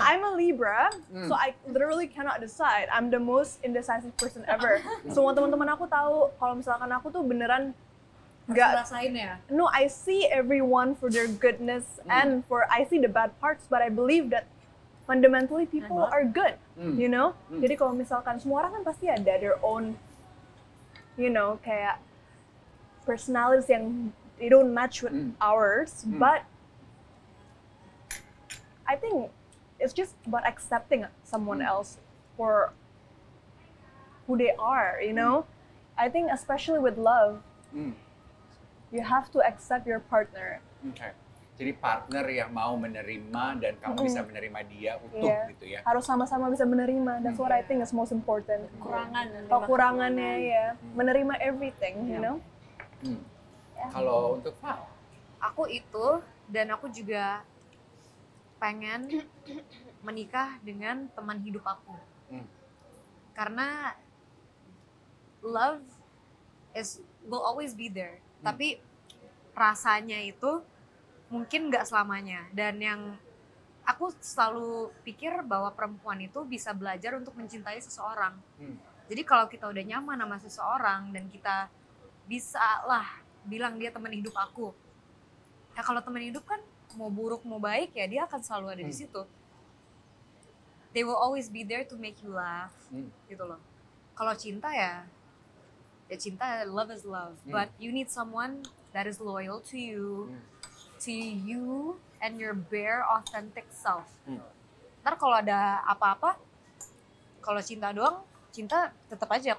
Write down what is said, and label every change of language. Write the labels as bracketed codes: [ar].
[en] I'm a Libra, so I literally cannot decide. I'm the most indecisive person ever. [id] Semua teman-teman aku tahu, kalau misalkan aku tuh beneran gak rasain ya? [en] No, I see everyone for their goodness and for I see the bad parts, but I believe that fundamentally people are good, you know? [id] Jadi kalau misalkan semua orang kan pasti ada [en] their own, you know, [id] kayak personalities yang [en] they don't match with ours, but I think it's just about accepting someone else for who they are, you know? I think especially with love, you have to accept your partner. Okay. [id] Jadi partner yang mau menerima dan kamu bisa menerima dia utuh gitu ya. Harus sama-sama bisa menerima. [en] That's what I think is most important. [id] Kekurangan. Kekurangannya ya. Menerima [en] everything, you know? [id] Kalau untuk Val? Aku itu, dan aku juga pengen menikah dengan teman hidup aku. Karena [en] love is will always be there. [id] Tapi rasanya itu mungkin gak selamanya. Dan yang aku selalu pikir bahwa perempuan itu bisa belajar untuk mencintai seseorang. Jadi kalau kita udah nyaman sama seseorang dan kita bisa lah bilang dia teman hidup aku. Ya kalau teman hidup kan mau buruk mau baik ya dia akan selalu ada di situ. [en] They will always be there to make you laugh. [id] Gitu loh. Kalau cinta ya ya cinta, [en] love is love. Mm. But you need someone that is loyal to you, to you and your bare authentic self. Mm. [id] Ntar kalau ada apa-apa, kalau cinta doang, cinta tetap aja.